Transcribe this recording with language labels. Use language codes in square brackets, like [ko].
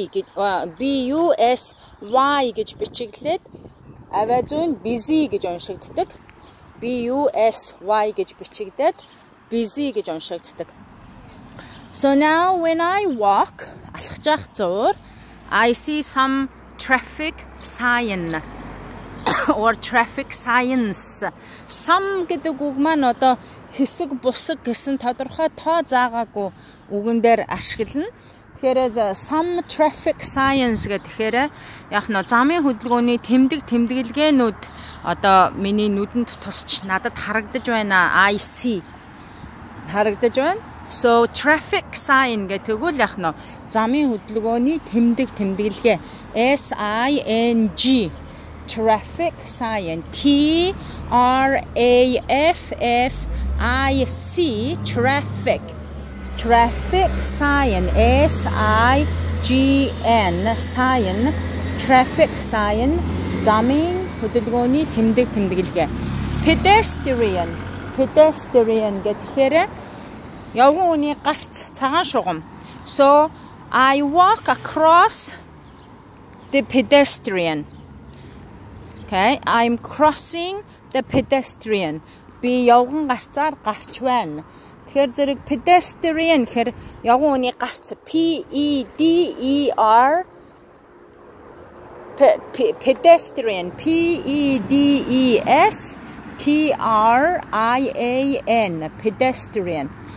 [mn] BUSY гэж бичиглээд аваа зүүн busy гэж уншигддаг. BUSY гэж бичигдээд busy гэж уншигддаг. [en] So now when I walk, [mn] алхаж явах зуур, [en] I see some traffic sign or traffic signs. [mn] Some гэдэг үг маань одоо хэсэг бусаг гэсэн тодорхой тоо заагаагүй үгэн дээр ашиглана. Тэгэхээр some traffic signs гэхээр яг нь замын хөдөлгөөний тэмдэглэгээнүүд одоо миний нүдэнд тусч надад харагдаж байна. [en] I see. [mn] Харагдаж байна. So traffic sign гэ тэгвэл яг нь замын хөдөлгөөний тэмдэглэгээ SIG traffic sign TRAFFIC traffic sign SIGN sign traffic sign замын хөдөлгөөний тэмдэглэгээ pedestrian гэхээр явган хүний гарц цагаан шугам. [en] So I walk across the pedestrian. Okay, I'm crossing the pedestrian. [mn] Би явган гарцаар гарч байна. Тэгэхээр зэрэг pedestrian гэхэр явган хүний гарц PEDER pedestrian PEDESTRIAN pedestrian.